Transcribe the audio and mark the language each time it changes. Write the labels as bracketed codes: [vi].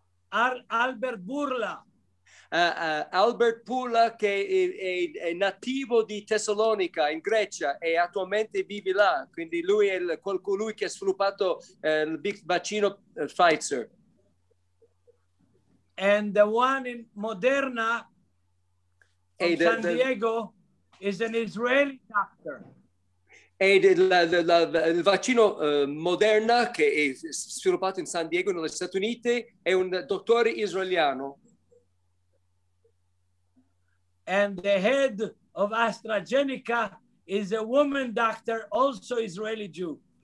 [it] Albert Bourla. Albert Bourla, che è nativo di Tessalonica, in Grecia, e attualmente vive là. Quindi lui è colui che ha sviluppato il vaccino Pfizer. [en] And the one in Moderna, Diego, is an Israeli doctor. [it] E il vaccino Moderna, che è sviluppato in San Diego, negli Stati Uniti, è un dottore israeliano. [en] And the head of AstraZeneca is a woman doctor, also Israeli Jew.